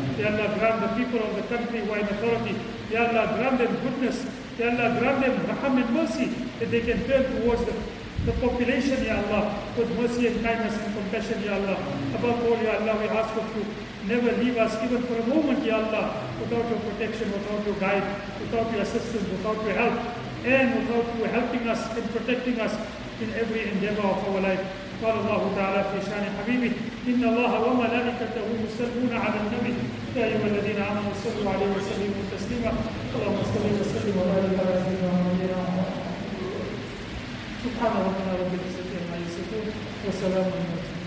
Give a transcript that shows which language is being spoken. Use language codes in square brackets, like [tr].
[en] يا الله grant the people of the country who are in authority يا الله grant them goodness يا الله grant them رحم and mercy that they can turn towards the population يا الله with mercy and kindness and compassion يا الله above all يا الله we ask of you never leave us even for a moment يا الله without your protection, without your guide, without your assistance, without your help. and without you helping us and protecting us in every endeavor of our life. [ar] قال الله تعالى في شان حبيبه إن الله وملائكته يصلون على النبي يا أيها الذين آمنوا صلوا عليه وسلموا تسليما اللهم صل وسلم وبارك على سيدنا ونبينا محمد سبحان ربنا رب العزة عما يصفون وسلام على المرسلين.